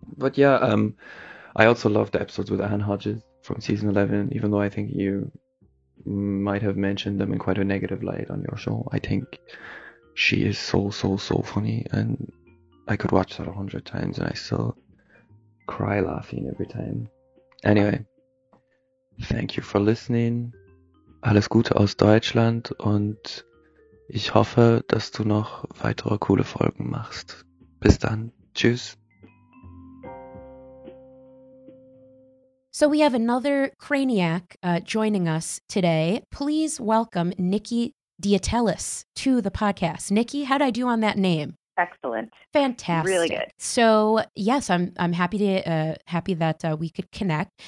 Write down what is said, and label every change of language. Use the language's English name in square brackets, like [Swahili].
[English] But yeah, I also love the episodes with Anne Hodges from season 11, even though I think you might have mentioned them in quite a negative light on your show. I think she is so funny, and I could watch that 100 times and I still cry laughing every time. Anyway, thank you for listening. [German] Alles Gute aus Deutschland, und ich hoffe, dass du noch weitere coole Folgen machst. Bis dann. Tschüss. [English] So we have another Craniac joining us today. Please welcome Nikki Diatelis to the podcast. Nikki, how'd I do on that name? Excellent. Fantastic. Really good. So yes, I'm happy to happy that we could connect.